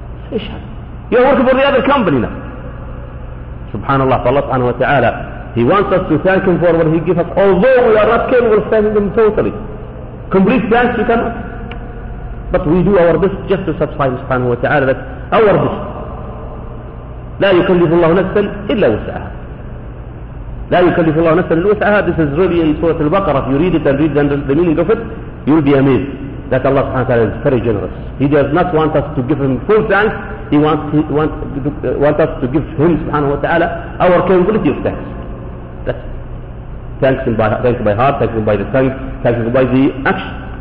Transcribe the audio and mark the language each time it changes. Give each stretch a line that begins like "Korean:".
English: Say, shut up. You're working for the other company now. Subhanallah, Allah subhanahu wa ta'ala, He wants us to thank Him for what He gives us, although we are not capable of thanking Him totally. Complete thanks to Him. But we do our best just to satisfy Him subhanahu wa ta'ala, that our best.
Arabic: لا يكلف الله نفسا إلا وسعها. لا يكلف الله نفسا إلا وسعها.
English: This is really in Surah Al-Baqarah. If you read it and read the meaning of it, you'll be amazed that Allah subhanahu wa ta'ala is very generous. He does not want us to give Him full thanks. He wants us to give Him subhanahu wa ta'ala our capability of thanks. Thanks Him by heart, thanks Him by the tongue, thanks Him by the action.